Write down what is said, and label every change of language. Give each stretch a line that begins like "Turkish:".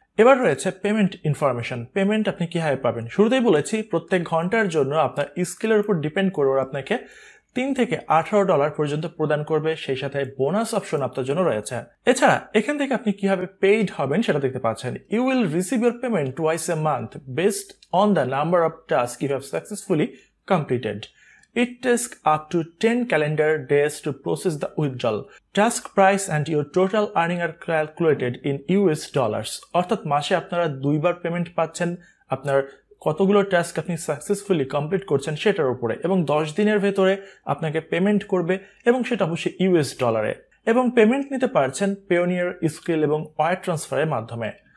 Bangla: এবার রয়েছে payment information. Payment আপনি কিভাবে পাবেন, শুরুতেই বলেছি প্রত্যেক ঘন্টার জন্য আপনার স্কিলের উপর ডিপেন্ড করে আপনাকে $3 থেকে $18 পর্যন্ত প্রদান করবে, সেই সাথে বোনাস অপশন আপনার জন্য রয়েছে। এছাড়া এখান থেকে আপনি কিভাবে পেইড হবেন সেটা দেখতে পাচ্ছেন।
English: You will receive your payment twice a month based on the number of task you have successfully completed. It takes up to 10 calendar days to process the withdrawal. Task price and your total earning are calculated in US dollars.
Bangla: অর্থাৎ মাসে আপনারা দুইবার payment পাচ্ছেন আপনার কতগুলো task আপনি successfully complete করছেন সেটার উপরে, এবং 10 দিনের ভেতরে আপনাকে পেমেন্ট করবে এবং সেটা অবশ্যই US ডলারে, এবং পেমেন্ট নিতে পারছেন পেওনিয়ার, স্কিল এবং ওয়ার ট্রান্সফারের মাধ্যমে।